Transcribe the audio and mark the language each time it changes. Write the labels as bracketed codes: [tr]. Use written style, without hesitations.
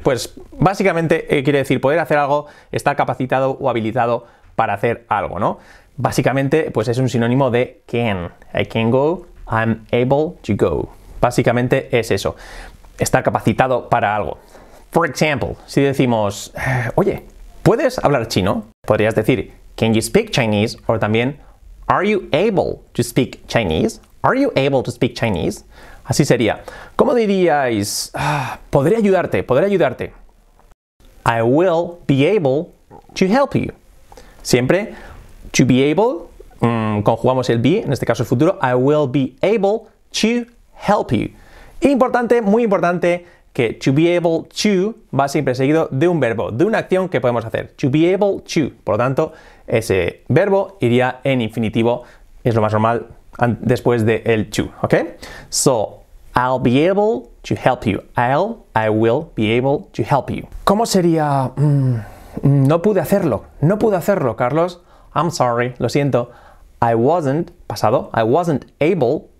[es] Pues básicamente quiere decir poder hacer algo, estar capacitado o habilitado para hacer algo, ¿no? Básicamente, pues es un sinónimo de can. [en] I can go, I'm able to go. [es] Básicamente es eso, estar capacitado para algo. [en] For example, [es] si decimos, oye, ¿puedes hablar chino? Podrías decir, [en] can you speak Chinese? [es] O también, [en] are you able to speak Chinese? Are you able to speak Chinese? [es] Así sería. ¿Cómo diríais, podría ayudarte, podría ayudarte? [en] I will be able to help you. Siempre, to be able, [es] conjugamos el be, en este caso el futuro, [en] I will be able to help you. [es] Importante, muy importante, que to be able to va siempre seguido de un verbo, de una acción que podemos hacer. [en] To be able to. [es] Por lo tanto, ese verbo iría en infinitivo, es lo más normal, después de el to, ¿ok? [en] So, I'll be able to help you. I will be able to help you. [es] ¿Cómo sería? No pude hacerlo. No pude hacerlo, Carlos. [en] I'm sorry, [es] lo siento. [en] I wasn't, [es] pasado, [en] I wasn't able.